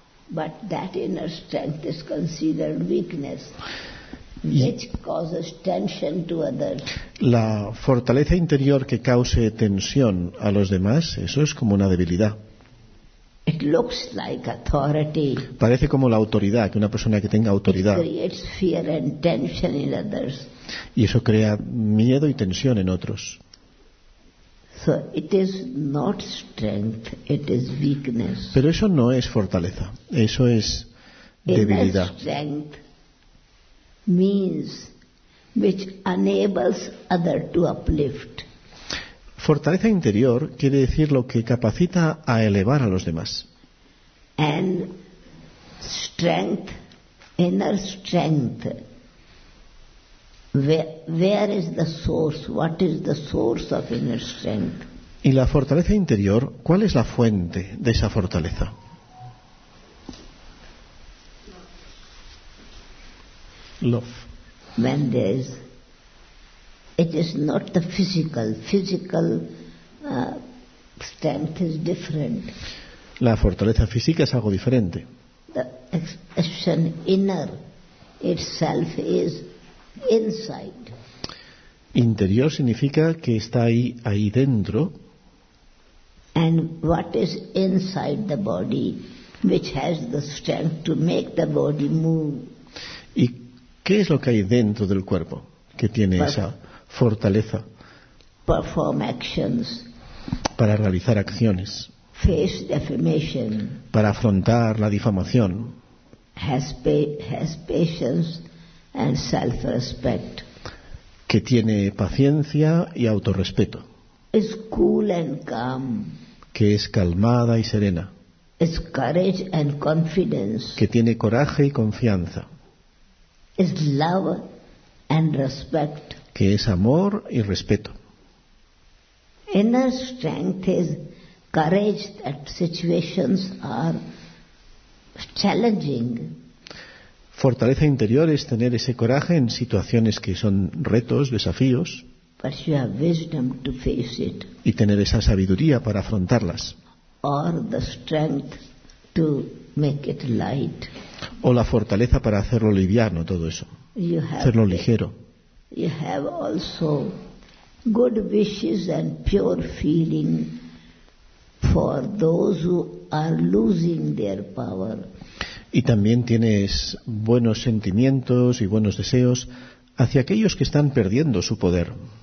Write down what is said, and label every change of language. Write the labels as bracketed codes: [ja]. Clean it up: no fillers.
[en] But that inner strength is considered weakness, which causes tension to others. [es] La fortaleza interior que cause tensión a los demás, eso es como una debilidad. [en] It looks like authority. [es] Parece como la autoridad, que una persona que tenga autoridad. [en] It creates fear and tension in others. [es] Y eso crea miedo y tensión en otros. [en] So it is not strength, it is weakness. [es] Pero eso no es fortaleza, eso es debilidad. [en] Inner strength means which enables other to uplift. [es] Fortaleza interior quiere decir lo que capacita a elevar a los demás. [en] And strength, inner strength. Where is the source? What is the source of inner strength? [es] Y la fortaleza interior, ¿cuál es la fuente de esa fortaleza? [en] Love. When there is, it is not the physical. Physical strength is different. [es] La fortaleza física es algo diferente. [en] The expression inner itself is inside. [es] Interior significa que está ahí dentro. [en] And what is inside the body, which has the strength to make the body move? [es] ¿Y qué es lo que hay dentro del cuerpo que tiene esa fortaleza? [en] Perform actions. [es] Para realizar acciones. [en] Face defamation. [es] Para afrontar la difamación. [en] Has patience. And self-respect. [es] Que tiene paciencia y autorrespeto. [en] Is cool and calm. [es] Que es calmada y serena. [en] is courage and confidence. [es] Que tiene coraje y confianza. [en] Is love and respect. [es] Que es amor y respeto. [en] Inner strength is courage that situations are challenging. [es] Fortaleza interior es tener ese coraje en situaciones que son retos, desafíos. [en] But you have wisdom to face it. [es] Y tener esa sabiduría para afrontarlas. [en] Or the strength to make it light. [es] O la fortaleza para hacerlo liviano, todo eso. [en] You have [es] hacerlo ligero. [en] You have also good wishes and pure feeling for those who are losing their power. [es] Y también tienes buenos sentimientos y buenos deseos hacia aquellos que están perdiendo su poder.